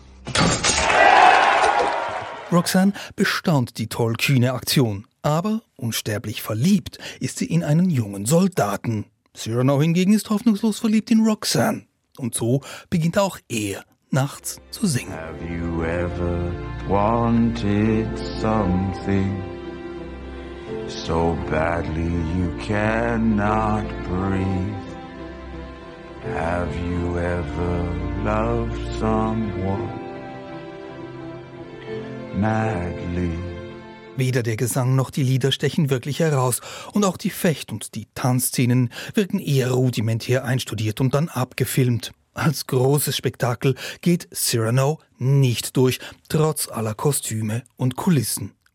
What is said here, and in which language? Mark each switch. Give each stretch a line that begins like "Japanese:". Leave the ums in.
German: Roxanne bestaunt die tollkühne Aktion. Aber unsterblich verliebt ist sie in einen jungen Soldaten. Cyrano hingegen ist hoffnungslos verliebt in Roxanne. Und so beginnt auch er nachts zu singen.
English: Have you ever wanted something so badly you cannot breathe? Have you ever loved someone madly?
German: Weder der Gesang noch die Lieder stechen wirklich heraus. Und auch die Fecht- und die Tanzszenen wirken eher rudimentär einstudiert und dann abgefilmt. Als großes Spektakel geht Cyrano nicht durch, trotz aller Kostüme und Kulissen.